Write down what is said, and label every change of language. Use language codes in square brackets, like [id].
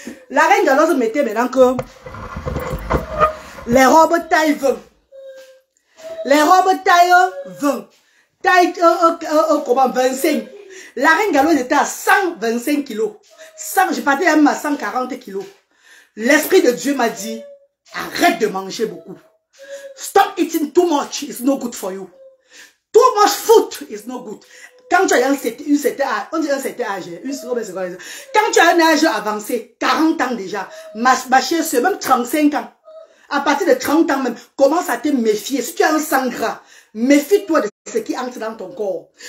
[fr] La reine galloise mettait maintenant que les robes taille 20. Les robes taille 20. Taille 25. La reine galloise était à 125 kilos. Je partais même à 140 kilos. L'esprit de Dieu m'a dit, arrête de manger beaucoup. [en] Stop eating too much, it's no good for you. Too much food is no good. [fr] Quand tu as un âge avancé, 40 ans déjà, ma chère soeur, même 35 ans, à partir de 30 ans même, commence à te méfier. Si tu as un sang gras, méfie-toi de ce qui entre dans ton corps.